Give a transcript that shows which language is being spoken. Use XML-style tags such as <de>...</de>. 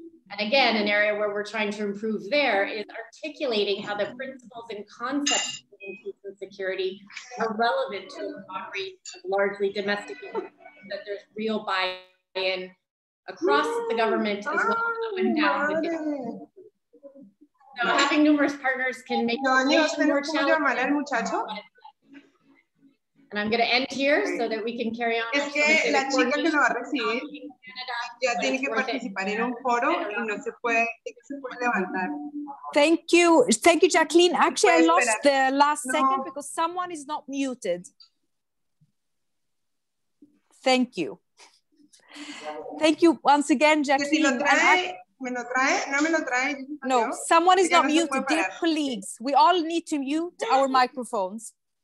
<en>And again, an area where we're trying to improve there is articulating how the principles and concepts of women, peace, and security are relevant to the poverty of largely domestic communities, that there's real buy-in across the government as well as up and down. So having numerous partners can make more challenging. And I'm going to end here so that we can carry on.</en> <es>Es que la chica que lo va a recibir ya tiene que participar en un foro y no se puede levantar.</es> <en>Thank you. Thank you, Jaqueline. Actually, I lost the last second because someone is not muted. Thank you. Thank you once again, Jaqueline.</en> <es>Que si lo trae,</es> <en>No, someone is not muted. Dear colleagues, we all need to mute our microphones.</en>